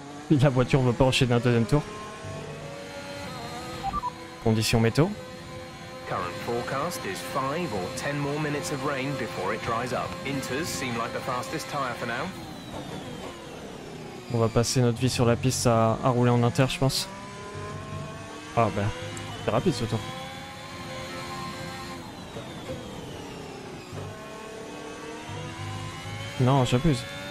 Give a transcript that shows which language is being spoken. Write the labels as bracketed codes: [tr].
[fr] La voiture ne veut pas enchaîner un deuxième tour. Condition météo. [en] Current forecast is 5 or 10 more minutes of rain before it dries up. Inters seem like the fastest tire for now. [fr] On va passer notre vie sur la piste à rouler en inter, je pense. Ah ben, c'est rapide ce tour. Non, j'abuse.